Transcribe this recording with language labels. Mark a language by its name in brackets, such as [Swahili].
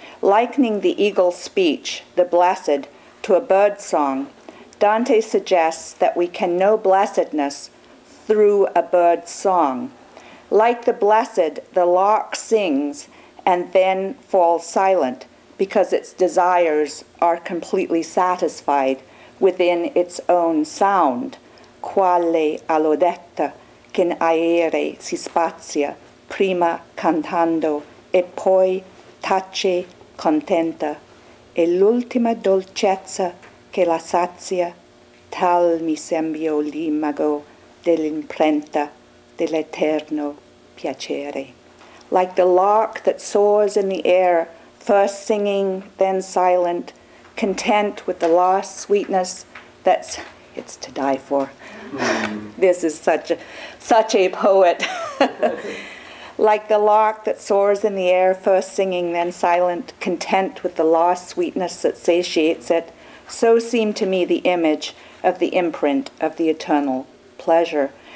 [English] Likening the eagle's speech, the blessed, to a bird song, Dante suggests that we can know blessedness through a bird song. Like the blessed, the lark sings and then falls silent because its desires are completely satisfied within its own sound. [Italian] Quale allodetta che in aere si spazia prima cantando e poi tace contenta e l'ultima dolcezza che la sazia tal mi sembio l'imago dell'imprenta dell'eterno piacere. [English] Like the lark that soars in the air, first singing, then silent, content with the last sweetness that's it's to die for. This is such a poet. Like the lark that soars in the air, first singing, then silent, content with the lost sweetness that satiates it, so seemed to me the image of the imprint of the eternal pleasure.